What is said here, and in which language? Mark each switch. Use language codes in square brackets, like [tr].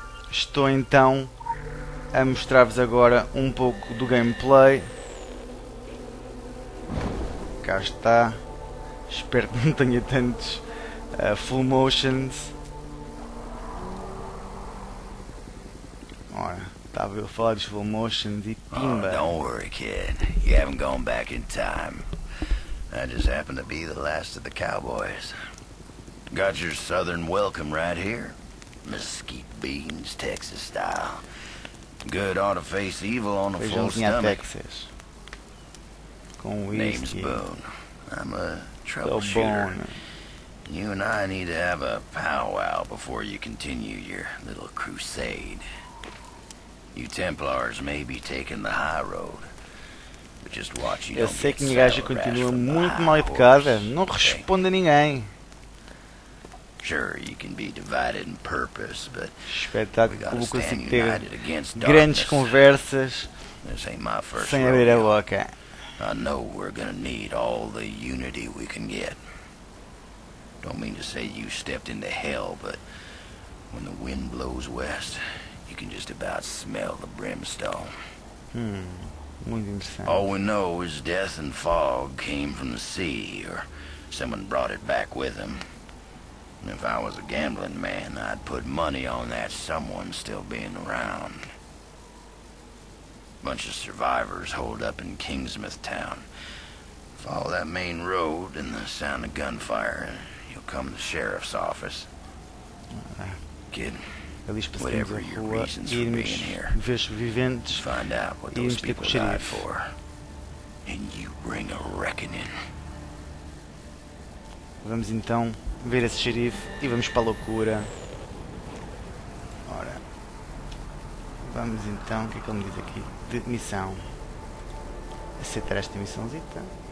[pt] Estou então a mostrar-vos agora um pouco do gameplay. Cá está. Espero que não tenha tantos full motions. Ora, estava eu a falar de slow motion de pimba. [en] Don't worry, kid. You haven't gone back in time. I just happen to be the last of the cowboys. Got your southern welcome right here. Mesquite beans, Texas style. Good ought to face evil on a full stomach. Name's Boone. I'm a troubleshooter. You and I need to have a powwow before you continue your little crusade. You Templars may be taking the high road, but just watch you don't get [pt] Eu sei que a gaja continua muito mal educada, não responde a ninguém. [en] Sure, you can be divided in purpose, but [pt] espetáculo, consigo ter grandes conversas sem abrir a boca. [en] I know we're gonna need all the unity we can get. Don't mean to say you stepped into hell, but when the wind blows west, you can just about smell the brimstone. [pt] Muito interessante. [en] All we know is death and fog came from the sea, or someone brought it back with him. If I was a gambling man, I'd put money on that someone still being around. Bunch of survivors holed up in Kingsmouth Town. Follow that main road and the sound of gunfire, and you'll come to the sheriff's office. Kid. At least whatever your reasons for being here, viventes, find out what those people died for, and you bring a reckoning. [pt] Vamos então ver esse xerife e vamos para a loucura. Ora, vamos então, o que é que ele me diz aqui? De missão. Aceitar esta missãozita?